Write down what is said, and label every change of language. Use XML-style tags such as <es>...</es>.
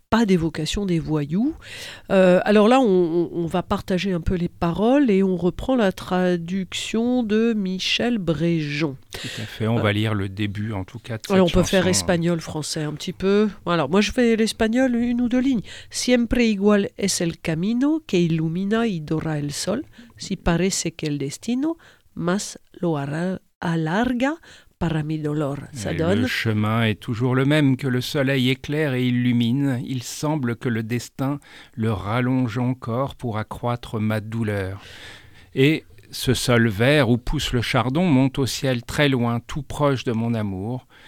<fr>Pas d'évocation des voyous. Alors là, on va partager un peu les paroles et on reprend la traduction de Michel Bréjon. Tout à fait, on va lire le début en tout cas. Alors on peut faire espagnol-français un petit peu. Alors moi je fais l'espagnol une ou deux lignes.</fr> <es>Siempre igual es el camino que ilumina y dora el sol. Si parece que el destino más lo alarga. Para mi dolor,</es> <fr>ça donne. Le chemin est toujours le même, que le soleil éclaire et illumine. Il semble que le destin le rallonge encore pour accroître ma douleur. Et ce sol vert où pousse le chardon monte au ciel très loin, tout proche de mon amour.</fr>